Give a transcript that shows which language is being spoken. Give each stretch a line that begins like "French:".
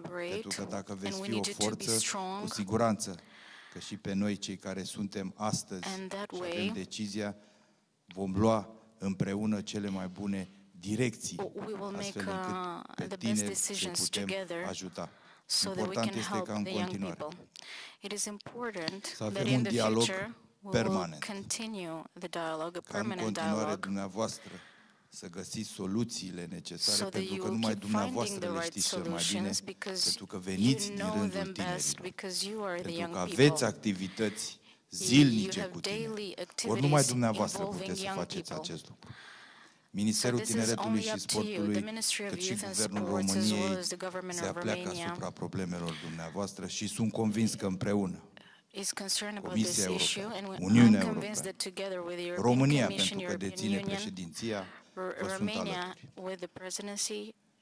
Romanian: Pentru că dacă veți fi o forță, cu siguranță că și pe noi, cei care suntem astăzi și avem decizia, vom lua împreună cele mai bune direcții, astfel încât pe tineri să putem ajuta.
English: So important that we can help the young people. It is important that in the future we will continue the dialogue, a permanent dialogue,
Romanian: să găsiți soluțiile necesare, pentru că numai dumneavoastră le știți cel mai bine, pentru că veniți din rândul tinerilor, pentru că aveți activități zilnice cu tineri. Ori numai dumneavoastră puteți să faceți acest lucru. Ministerul Tineretului și Sportului, cât și Guvernul României, se apleacă asupra problemelor dumneavoastră și sunt convins că împreună Comisia Europeană, Uniunea Europeană, România, pentru că deține președinția, vă sunt alături.